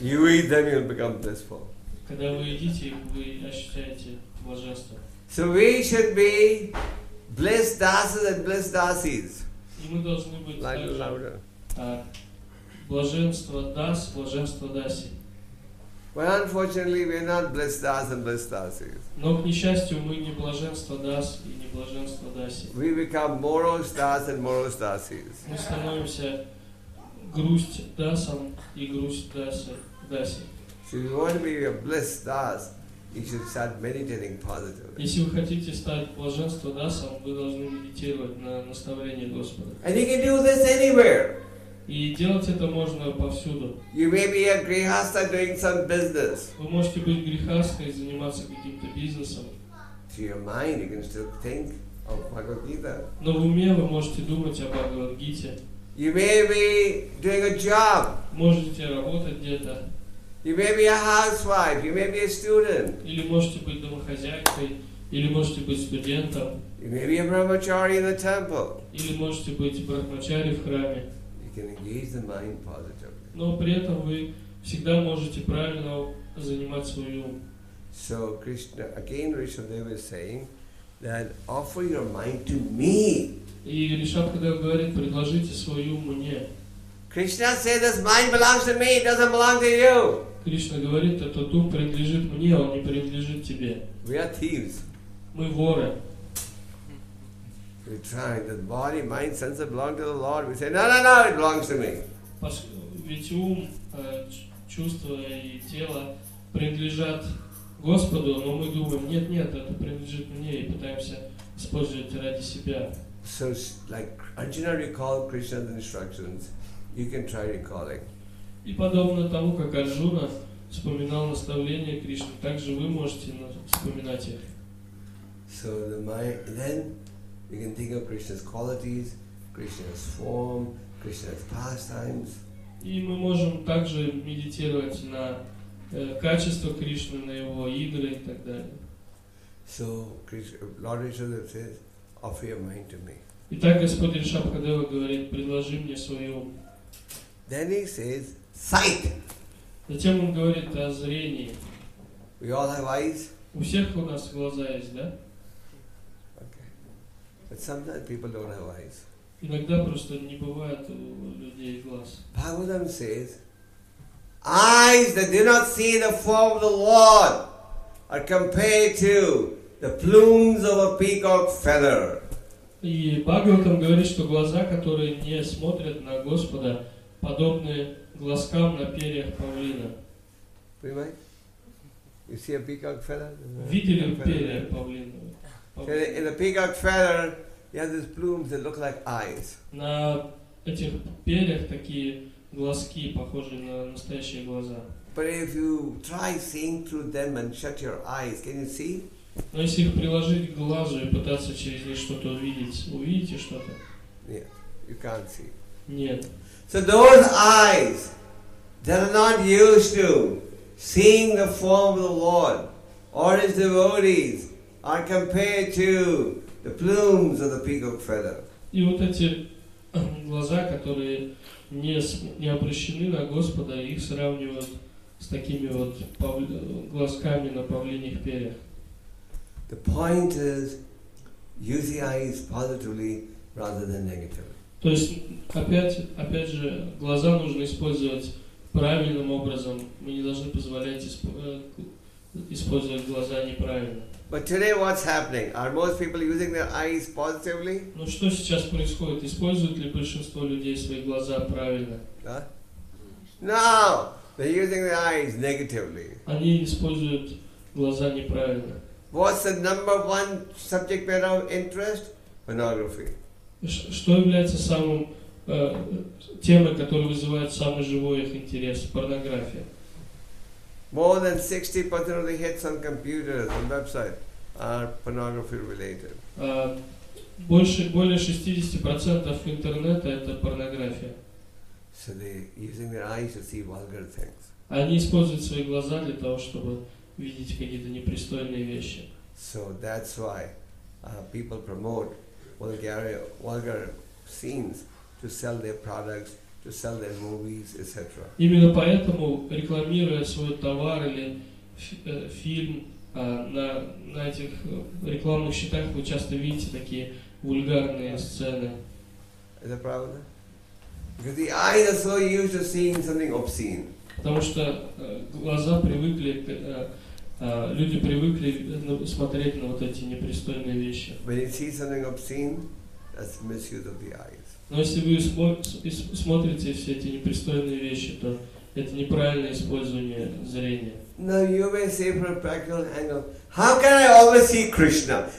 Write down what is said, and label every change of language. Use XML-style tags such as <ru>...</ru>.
<en>You eat them, you'll become blissful.</en> <ru>Когда вы едите, вы ощущаете блаженство.</ru> <en>So we should be blessed dasas and blessed dasis.</en> <ru>И мы должны быть like также блаженство дас, блаженство даси.</ru> <en>But unfortunately, we are not blessed as and blessed dasis.</en> <ru>Но к несчастью мы не блаженство дас и не блаженство даси.</ru> <en>We become moros das and moros dasis.</en> <ru>Мы становимся грусть дасом и грусть даси.</ru> <en>So if you want to be a blessed das, you should start meditating positively.</en> <ru>Если вы хотите стать блаженство дасом, вы должны медитировать на наставление Господа.</ru> <en>And you can do this anywhere.</en> <ru>И делать это можно повсюду.</ru> <en>You may be a grihastha doing some business.</en> <ru>Вы можете быть грихастхой и заниматься каким-то бизнесом.</ru> <en>Through your mind, you can still think of Bhagavad Gita.</en> <ru>Но в уме вы можете думать о Бхагавад Гите.</ru> <en>You may be doing a job.</en> <ru>Можете работать где-то.</ru> <en>You may be a housewife. You may be a student.</en> <ru>Или можете быть домохозяйкой, или можете быть студентом.</ru> <en>You may be a brahmachari in the temple.</en> <ru>Или можете быть брахмачари в храме.</ru> <en>Can engage the mind positively.</en> <ru>Но при этом вы всегда можете правильно занимать свой ум.</ru> <en>So Krishna, again Rishabhadev is saying that offer your mind to me.</en> <ru>И Ришабхадев говорит, предложите свой ум мне.</ru> <en>Krishna said this mind belongs to me, it doesn't belong to you.</en> <ru>Кришна говорит, этот ум принадлежит мне, он не принадлежит тебе.</ru> <en>We are thieves.</en> <ru>Мы воры.</ru> <en>We try that body, mind, senses belong to the Lord. We say, no, no, no, it belongs to me.</en> <ru>Ведь ум, чувства и тело принадлежат Господу, но мы думаем, нет, нет, это принадлежит мне и пытаемся использовать ради себя.</ru> <en>So, like Arjuna recalled Krishna's instructions, you can try recalling.</en> <ru>И подобно тому, как Арджуна вспоминал наставления Кришны, также вы можете вспоминать их.</ru> <en>So the mind, then. You can think of Krishna's qualities, Krishna's form, Krishna's pastimes.</en> <ru>И мы можем также медитировать на качество Кришны, на его игры и так далее.</ru> <en>So, Lord Rishabhadev says, offer your mind to me.</en> <ru>Итак, Господь Ришабхадева говорит, предложи мне свой ум.</ru> <en>Then he says, sight.</en> <ru>Затем он говорит о зрении.</ru> <en>We all have eyes.</en> <ru>У всех у нас глаза есть, да?</ru> <en>But sometimes people don't have eyes.</en> <ru>Иногда просто не бывает у людей глаз.</ru> <en>Bhagavatam says, eyes that do not see the form of the Lord are compared to the plumes of a peacock feather.</en> <ru>И Бхагаватам говорит, что глаза, которые не смотрят на Господа, подобны глазкам на перьях павлина.</ru> <en>You see a peacock feather?</en> <ru>Видели перья павлина?</ru> <en>So in a peacock feather, you have these plumes that look like eyes.</en> <ru>На этих перьях такие глазки, похожие на настоящие глаза.</ru> <en>But if you try seeing through them and shut your eyes, can you see?</en> <ru>Но если их приложить к глазу и пытаться через них что-то увидеть, увидите что-то? Нет,</ru> <en>you can't see.</en> <ru>Нет.</ru> <en>So those eyes that are not used to seeing the form of the Lord or His devotees. Are compared to the plumes of the peacock feather.</en> <ru>И вот эти глаза, которые не обращены на Господа, их сравнивают с такими вот глазками на павлиньих перьях.</ru> <en>The point is, use the eyes positively rather than negatively.</en> <ru>То есть опять же глаза нужно использовать правильным образом. Мы не должны позволять использовать глаза неправильно.</ru> <en>But today what's happening? Are most people using their eyes positively?</en> <ru>Ну что сейчас происходит? Используют ли большинство людей свои глаза правильно?</ru> <en>No! They're using their eyes negatively.</en> <ru>Они используют глаза неправильно.</ru> <en>What's the number one subject matter of interest? Pornography.</en> <ru>Что является самым темой, которая вызывает самый живой их интерес? Порнография.</ru> <en>More than 60% of the hits on computers and websites are pornography related.</en> <ru>Более 60% интернета это порнография.</ru> <en>So they're using their eyes to see vulgar things.</en> <ru>Они используют свои глаза для того, чтобы видеть какие-то непристойные вещи.</ru> <en>So that's why people promote vulgar scenes to sell their products. To sell their movies, etc.</en> <ru>Именно поэтому, рекламируя свой товар или фильм, на этих рекламных щитах вы часто видите такие вульгарные сцены. Это правда?</ru> <en>Because the eyes are so used to seeing something obscene.</en> <ru>Потому что глаза привыкли, люди привыкли смотреть на вот эти непристойные вещи.</ru> <en>When you see something obscene, that's misuse of the eyes.</en> <ru>Но если вы смотрите все эти непристойные вещи, то это неправильное использование зрения.</ru> <en>Now you may say from a practical angle, how can I always see Krishna?</en>